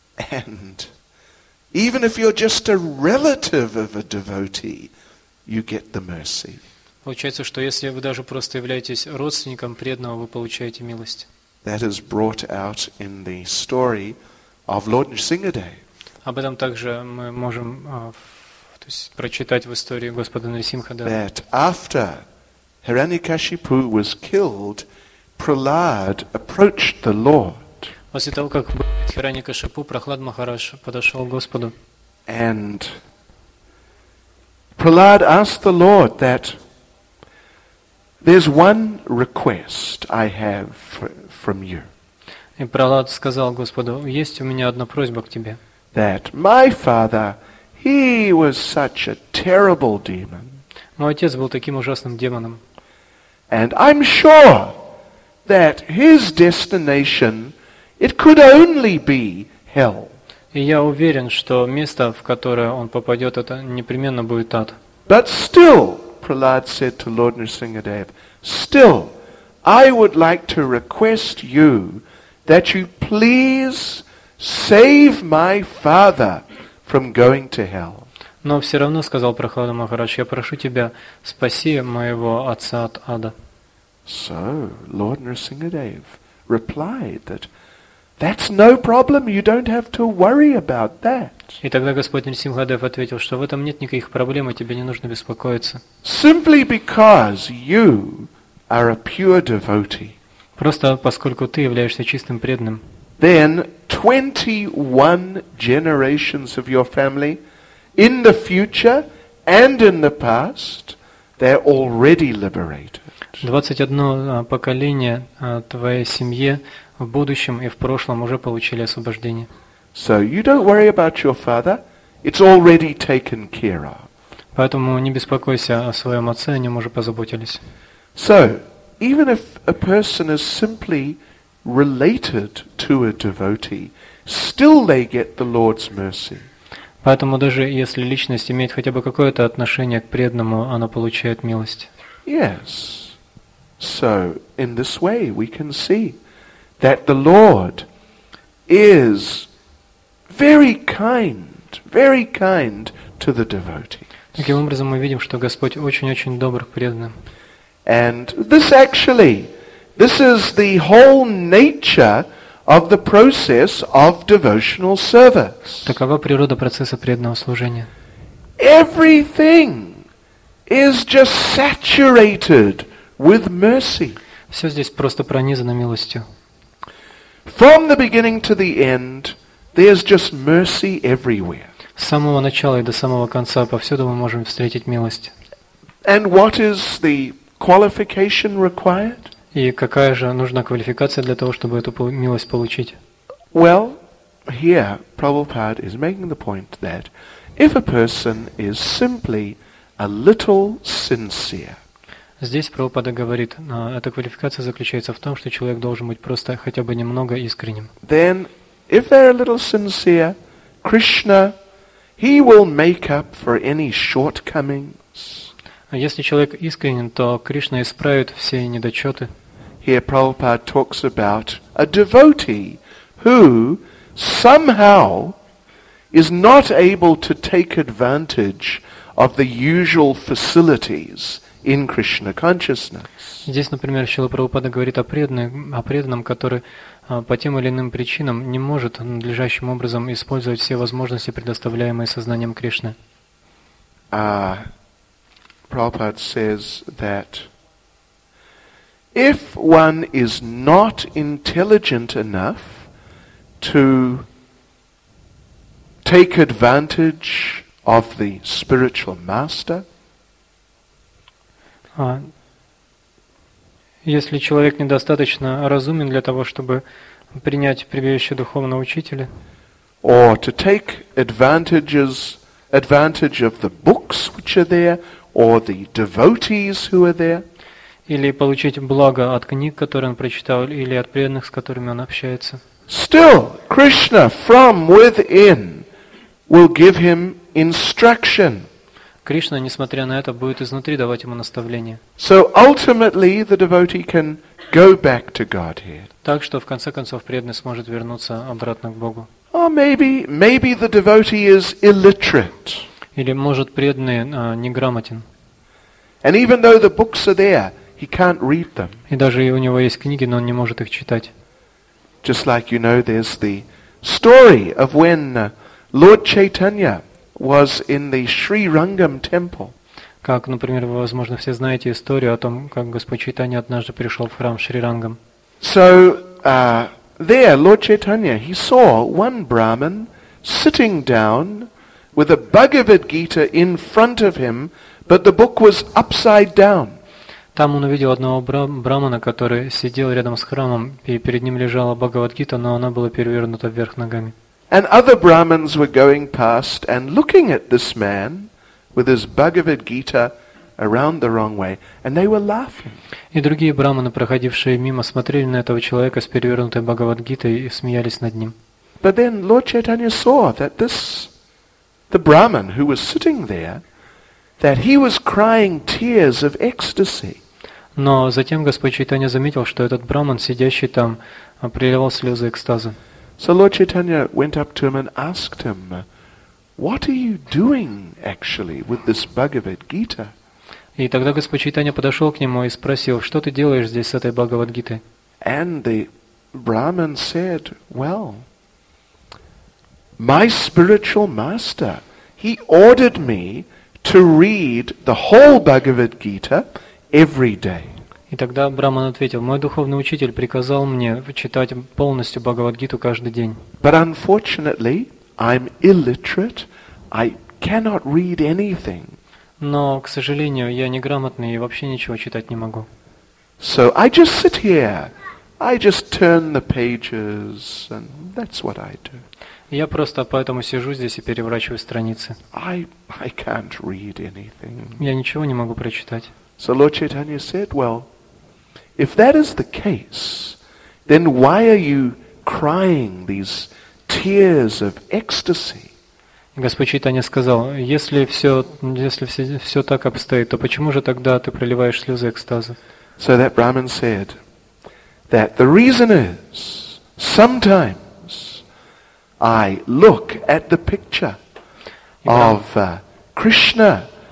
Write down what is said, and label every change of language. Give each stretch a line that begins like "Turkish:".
English: And even if you're just a relative of a devotee, you get the mercy.
Russian: Получается, что если вы даже просто являетесь родственником преданного, вы получаете милость.
English: That is brought out in the story of Lord Nrisimhadev.
Russian: Об этом также мы можем прочитать в истории Господа Нрисимхадева.
English: That after Hiranyakashipu was killed, Prahlad approached the Lord.
Russian: После того, как Хираньякашипу, Прохлад Махарадж подошел к Господу.
English: And Prahlad asked the Lord that there's one request I have from you.
Russian: И Прохлад сказал Господу: есть у меня одна просьба к тебе.
English: That my father, he was such a terrible demon.
Russian: Мой отец был таким ужасным демоном.
English: And I'm sure that his destination, it could only be hell.
Russian: И я уверен, что место, в которое он попадет, это непременно будет ад.
English: But still, Prahlad said to Lord Nrisimhadev, still, I would like to request you that you please save my father from going to hell.
Russian: Но все равно, сказал Прохлад Махарадж, я прошу тебя, спаси моего отца от ада.
English: So, Lord Nrisimhadev replied that that's no problem, you don't have to worry about that.
Russian: И тогда Господь Нрисимхадев ответил, что в этом нет никаких проблем, и тебе не нужно беспокоиться.
English: Simply because you are a pure devotee.
Russian: Просто поскольку ты являешься чистым преданным.
English: Then 21 generations of your family in the future and in the past, they're already liberated.
Russian: 21 поколение твоей семьи в будущем и в прошлом уже получили освобождение.
English: So you don't worry about your father, it's already taken care of.
Russian: Поэтому не беспокойся о своем отце, о нем уже позаботились.
English: So, even if a person is simply related to a devotee, still they get the Lord's mercy.
Russian: Поэтому даже если личность имеет хотя бы какое-то отношение к преданному, она получает милость.
English: Yes. So, in this way we can see that the Lord is very kind to the devotee.
Russian: Таким образом, мы видим, что Господь очень-очень добр к преданным.
English: And this actually, this is the whole nature of the process of devotional service.
Russian: Такова природа процесса преданного служения.
English: Everything is just saturated with mercy.
Russian: Все здесь просто пронизано милостью.
English: From the beginning to the end, there's just mercy everywhere.
Russian: С самого начала и до самого конца повсюду мы можем встретить милость.
English: And what is the qualification required?
Russian: И какая же нужна квалификация для того, чтобы эту милость получить?
English: Well, here Prabhupada is making the point that if a person is simply a little sincere.
Russian: Здесь Прабхупада говорит, эта квалификация заключается в том, что человек должен быть просто хотя бы немного искренним.
English: Then, if they're a little sincere, Krishna, he will make up for any shortcomings.
Russian: Если человек искренен, то Кришна исправит все недочеты.
English: Here Prabhupada talks about a devotee who somehow is not able to take advantage of the usual facilities in Krishna consciousness.
Russian: Здесь, например, Шрила Прабхупада говорит о преданном, который по тем или иным причинам не может надлежащим образом использовать все возможности, предоставляемые сознанием Кришны.
English: Prabhupada says that if one is not intelligent enough to take advantage of the spiritual master,
Russian: если человек недостаточно разумен для того, чтобы принять прибежище духовного учителя,
English: or to take advantage of the books which are there, or the devotees who are there,
Russian: или получить благо от книг, которые он прочитал, или от преданных, с которыми он общается,
English: still Krishna from within will give him instruction.
Russian: Кришна, несмотря на это, будет изнутри давать ему наставление.
English: So ultimately the devotee can go back to Godhead.
Russian: Так что в конце концов преданный сможет вернуться обратно к Богу.
English: Or maybe the devotee is illiterate.
Russian: Или может преданный неграмотен.
English: And even though the books are there, he can't read them.
Russian: И даже у него есть книги, но он не может их читать.
English: Just like you know, there's the story of when Lord Chaitanya was in the Sri Rangam temple.
Russian: Как, например, вы, возможно, все знаете историю о том, как Господь Чайтанья однажды пришел в храм Шри Рангам.
English: So there, Lord Chaitanya, he saw one Brahmin sitting down with a Bhagavad Gita in front of him, but the book was upside down.
Russian: Там он увидел одного брахмана, который сидел рядом с храмом, и перед ним лежала Бхагавад Гита, но она была перевернута вверх ногами.
English: And other Brahmins were going past and looking at this man with his Bhagavad Gita around the wrong way, and they were laughing.
Russian: И другие брахманы, проходившие мимо, смотрели на этого человека с перевернутой Бхагавад Гитой и смеялись над ним.
English: But then Lord Chaitanya saw that the Brahmin who was sitting there, that he was crying tears of ecstasy.
Russian: Но затем Господь Чайтанья заметил, что этот брахман, сидящий там, проливал слезы экстаза.
English: So Lord Chaitanya went up to him and asked him, "What are you doing actually with this Bhagavad Gita?"
Russian: И тогда Господь Чайтанья подошел к нему и спросил, что ты делаешь здесь с этой Бхагавад Гитой?
English: And the Brahmin said, "Well, my spiritual master, he ordered me to read the whole Bhagavad Gita every day."
Russian: И тогда Брахман ответил, мой духовный учитель приказал мне читать полностью Бхагавад-гиту каждый день.
English: But unfortunately, I'm illiterate, I cannot read anything.
Russian: Но, к сожалению, я неграмотный и вообще ничего читать не могу.
English: So I just sit here, I just turn the pages, and that's what I do.
Russian: Я просто поэтому сижу здесь и переворачиваю страницы.
English: I can't read anything.
Russian: Я ничего не могу прочитать.
English: So Lord Chaitanya said, well, if that is the case, then why are you crying these tears of ecstasy?
Russian: Господь Чайтанья сказал, если все так обстоит, то почему же тогда ты проливаешь слезы экстаза?
English: So that Brahmin said that the reason is sometimes I look at the picture of Krishna